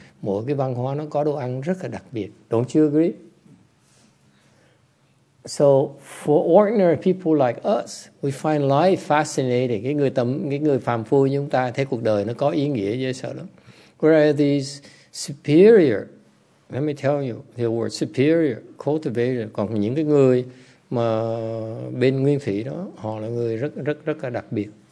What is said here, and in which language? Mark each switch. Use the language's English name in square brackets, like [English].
[Vietnamese] Mỗi cái văn hóa nó có đồ ăn rất là đặc biệt. [English] Don't you agree? So for ordinary people like us, we find life fascinating. [Vietnamese] Cái người phàm phu như chúng ta thấy cuộc đời nó có ý nghĩa dễ sợ lắm. [English] Whereas these superior, let me tell you, the word superior, cultivated, [Vietnamese] còn những cái người mà bên Nguyên Thủy đó, họ là người rất rất rất là đặc biệt.